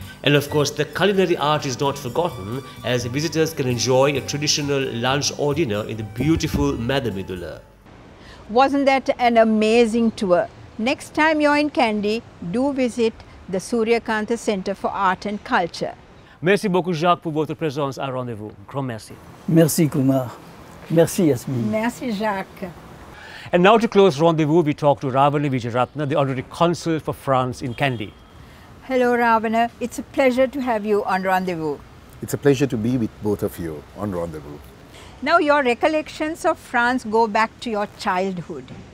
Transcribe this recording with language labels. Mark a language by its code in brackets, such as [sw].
[en] And of course, the culinary art is not forgotten, as visitors can enjoy a traditional lunch or dinner in the beautiful Madamidula. Wasn't that an amazing tour? Next time you're in Kandy, do visit the Suryakantha Center for Art and Culture. [fr] Merci beaucoup, Jacques, pour votre présence à Rendez-vous. Grand merci. Merci, Kumar. Merci, Yasmin. Merci, Jacques. [en] And now to close Rendez-vous, we talk to Ravana Vijayaratna, the Honorary Consul for France in Kandy. Hello, Ravana. It's a pleasure to have you on Rendez-vous. It's a pleasure to be with both of you on Rendez-vous. Now, your recollections of France go back to your childhood.